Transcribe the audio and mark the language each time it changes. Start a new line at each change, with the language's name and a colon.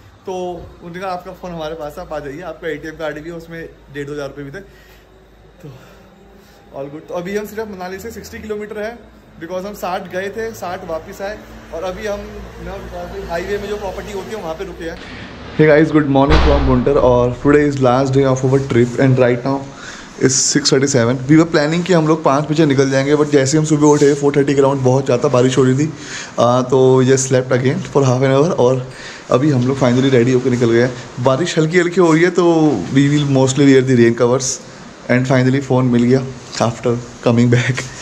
Hindi: तो उन्होंने कहा आपका फ़ोन हमारे पास, आप आ जाइए, आपका ATM कार्ड भी है, उसमें 1,500 रुपये भी थे। तो
English: All good.
Hindi: तो अभी हम सिर्फ मनाली से 60 किलोमीटर है, बिकॉज हम 60 गए थे, 60 वापस आए, और अभी हम हाईवे में जो प्रॉपर्टी होती है वहाँ पर रुके हैं।
English: Hey guys, good morning from Bunter, और today is last day of our trip and right now is 6:37. We were planning
Hindi: कि हम लोग 5 बजे निकल जाएंगे, बट जैसे हम सुबह उठे 4:30 के अराउंड बहुत ज़्यादा बारिश हो रही थी, तो ये
English: slept again for half an hour
Hindi: और अभी हम लोग फाइनली रेडी होकर निकल गए। बारिश हल्की हल्की हो रही है तो
English: we will mostly wear the rain covers,
Hindi: and finally phone मिल गया
English: After coming back.